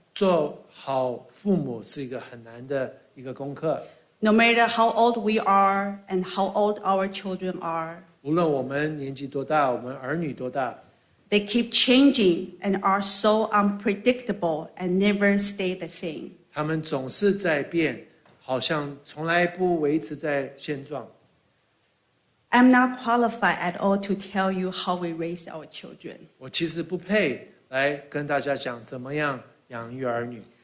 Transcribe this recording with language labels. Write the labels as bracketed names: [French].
[Chinese] 做好父母是一个很难的一个功课。 [English] No matter how old we are and how old our children are, [Chinese] 无论我们年纪多大，我们儿女多大， [English] they keep changing and are so unpredictable and never stay the same. [Chinese] 他们总是在变，好像从来不维持在现状。 [English] I'm not qualified at all to tell you how we raise our children. [Chinese] 我其实不配来跟大家讲怎么样养育儿女。